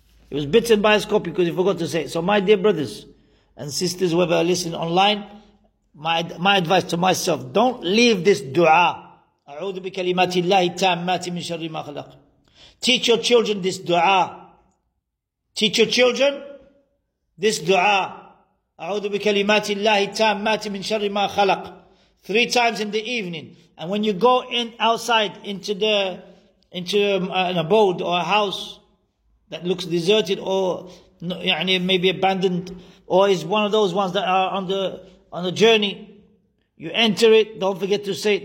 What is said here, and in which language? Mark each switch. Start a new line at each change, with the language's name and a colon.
English: He was bitten by a scorpion because he forgot to say it. So my dear brothers and sisters, whoever are listening online, my advice to myself, don't leave this dua.
Arabic: أعوذ بكلمات الله التامات من شر ما خلق.
English: Teach your children this dua. Teach your children this dua.
Arabic: أعوذ بكلمات الله التامات من شر ما خلق.
English: Three times in the evening. And when you go in outside into an abode or a house that looks deserted or maybe abandoned or is one of those ones that are on the journey, you enter it, don't forget to say it.